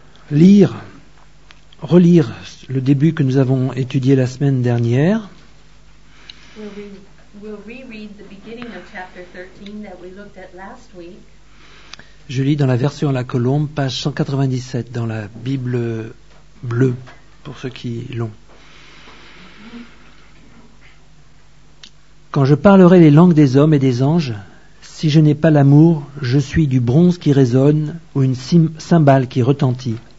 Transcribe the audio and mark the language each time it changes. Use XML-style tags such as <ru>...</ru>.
<fr>lire, relire le début que nous avons étudié la semaine dernière.</fr> <en>We'll re-read the beginning of chapter 13 that we looked at last week.</en> <fr>Je lis dans la version à la colombe, page 197 dans la Bible bleue, pour ceux qui l'ont. Quand je parlerai les langues des hommes et des anges, si je n'ai pas l'amour, je suis du bronze qui résonne ou une cymbale qui retentit.</fr>